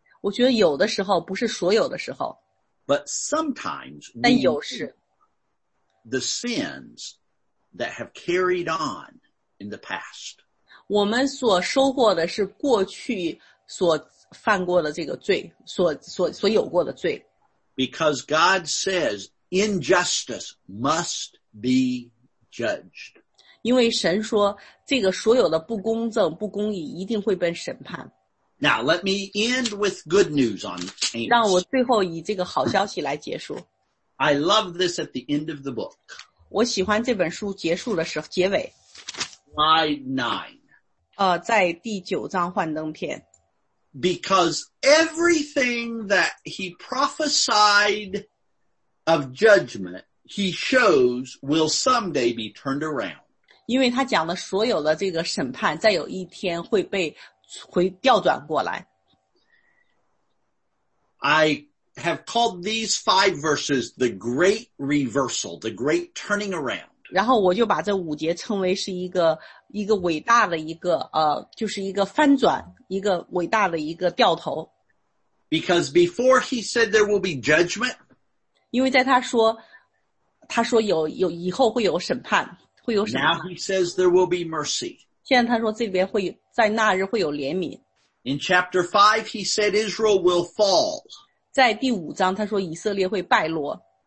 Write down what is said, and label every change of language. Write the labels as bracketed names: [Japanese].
[Chinese] 我觉得有的时候不是所有的时候 [English] But sometimes [Chinese] 但有时 [English] The sins that have carried on in the past [Chinese] 我们所收获的是过去所犯过的这个罪 所有过的罪 [English] Because God says injustice must be judged [Chinese] 因为神说这个所有的不公正不公义一定会被审判 [English] Now, let me end with good news on Amos. [Chinese] 让我最后以这个好消息来结束。 [English] I love this at the end of the book. [Chinese] 我喜欢这本书结束的时候，结尾。 [English] Slide 9. [Chinese] 在第九章幻灯片。 [English] Because everything that he prophesied of judgment, he shows will someday be turned around. [Chinese] 因为他讲的所有的这个审判，在有一天会被会调转过来。 [English] I have called these five verses the great reversal, the great turning around. [Chinese] 然后我就把这五节称为是一个伟大的一个就是一个翻转，一个伟大的一个掉头。 [English] Because before he said there will be judgment. [Chinese] 因为在他说有以后会有审判，会有审判。 [English] Now he says there will be mercy. [Chinese] 现在他说这边会在那日会有怜悯。 [English] In chapter 5, he said Israel will fall. [Chinese] 在第五章他说以色列会败落。